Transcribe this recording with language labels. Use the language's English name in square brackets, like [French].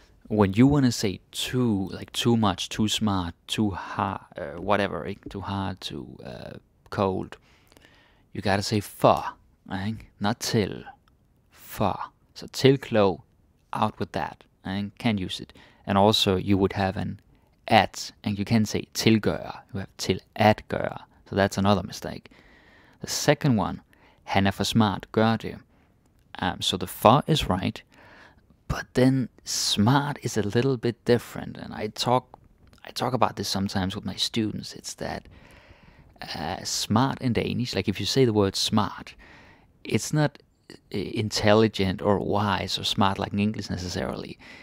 [English] When you want to say too, like too much, too smart, too hard, whatever, too hard, too cold, you gotta say for, right? Not till, for. So till clo, out with that, and can't use it. And also, you would have an at, and you can say tilgøre. You have [Danish] til at gøre. [English] So that's another mistake. The second one, [Danish] han er for smart, gør det. [English] So the for is right. But then smart is a little bit different, and I talk about this sometimes with my students. It's that smart in Danish, like if you say the word smart, it's not intelligent or wise or smart like in English necessarily.